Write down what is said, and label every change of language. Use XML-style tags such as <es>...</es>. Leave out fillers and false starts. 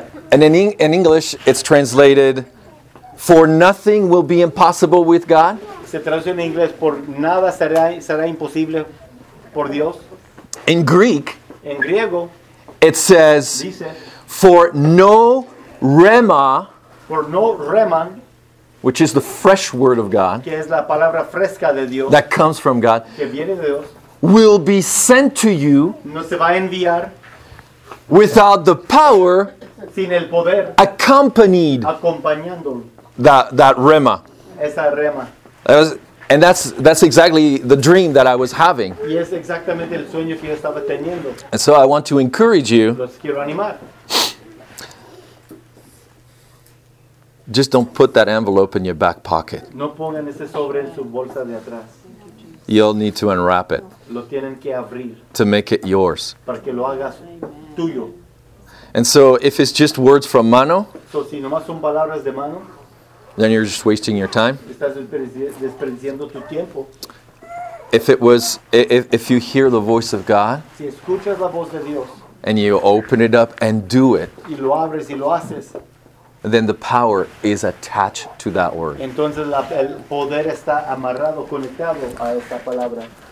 <en>And in English, it's translated, "For nothing will be impossible with God."</en> <es>Se traduce en inglés, "Por nada será imposible por Dios."</es> <en>In Greek,</en> <es>en griego,</es> <en>it says,</en> <es>dice,</es> <en>"For no rema." For no rema. Which is the fresh word of God,</en> <es>que es la palabra fresca de Dios,</es> <en>that comes from God,</en> <es>que viene de Dios,</es> <en>will be sent to you,</en> <es>no se va a enviar,</es> <en>without the power,</en> <es>sin el poder,</es> <en>accompanied</en> <es>acompañando</es> <en>that rema.</en> <es>Esa rema.</es> <en>That was, And that's exactly the dream that I was having.</en> <es>Y es exactamente el sueño que yo estaba teniendo.</es> <en>And so I want to encourage you.</en> <es>Los quiero animar.</es> <en>Just don't put that envelope in your back pocket.</en> <es>No pongan ese sobre en su bolsa de atrás.</es> <en>You'll need to unwrap it.</en> <es>Lo tienen que abrir.</es> <en>To make it yours.</en> <es>Para que lo hagas tuyo.</es> <en>And so if it's just words from mano,</en> <es>so, si nomás son palabras de mano,</es> <en>then you're just wasting your time.</en> <es>Estás desperdiciando tu tiempo.</es> <en>If you hear the voice of God,</en> <es>si escuchas la voz de Dios,</es> <en>and you open it up and do it,</en> <es>y lo abres y lo haces,</es> <en>then the power is attached to that word.</en> <es>Entonces, el poder está amarrado, conectado a esta palabra.</es>